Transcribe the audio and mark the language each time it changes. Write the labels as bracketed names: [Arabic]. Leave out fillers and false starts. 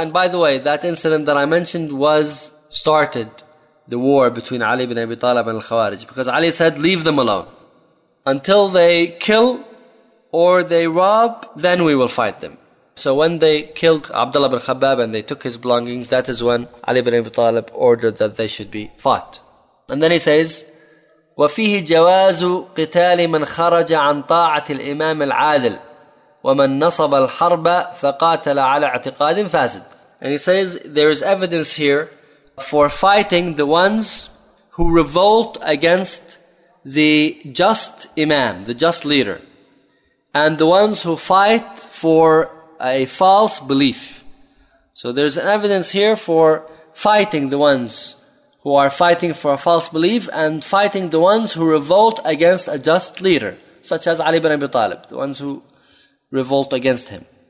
[English] And by the way, that incident that I mentioned started the war between Ali ibn Abi Talib and Al-Khawarij. Because Ali said, leave them alone. Until they kill or they rob, then we will fight them. So when they killed Abdullah bin Khabbab and they took his belongings, that is when Ali ibn Abi Talib ordered that they should be fought. And then he says, [Arabic] وَفِيهِ جَوَازُ قِتَالِ مَنْ خَرَجَ عَنْ طَاعَةِ الْإِمَامِ الْعَادِلِ وَمَنْ نَصَبَ الْحَرْبَ فَقَاتَلَ عَلَى اعْتِقَادٍ فَاسِدٍ. [English] And he says, there is evidence here for fighting the ones who revolt against the just imam, the just leader, and the ones who fight for a false belief. So there's evidence here for fighting the ones who are fighting for a false belief and fighting the ones who revolt against a just leader, such as Ali ibn Abi Talib, the ones who revolt against him.